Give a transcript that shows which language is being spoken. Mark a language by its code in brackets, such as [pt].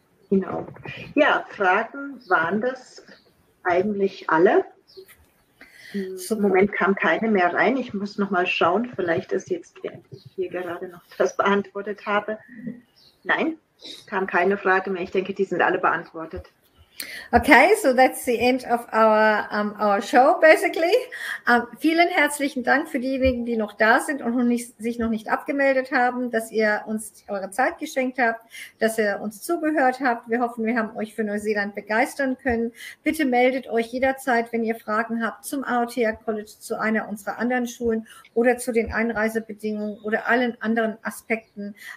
[de] Genau. Ja, Fragen waren das eigentlich alle. Im Moment kam keine mehr rein. Ich muss nochmal schauen, vielleicht ist jetzt, während ich hier gerade noch das beantwortet habe. Nein? Kam keine Frage mehr. Ich denke, die sind alle beantwortet. [en] Okay, so that's the end of our show, basically. [de] Vielen herzlichen Dank für diejenigen, die noch da sind und sich noch nicht abgemeldet haben, dass ihr uns eure Zeit geschenkt habt, dass ihr uns zugehört habt. Wir hoffen, wir haben euch für Neuseeland begeistern können. Bitte meldet euch jederzeit, wenn ihr Fragen habt zum Aotea College, zu einer unserer anderen Schulen oder zu den Einreisebedingungen oder allen anderen Aspekten.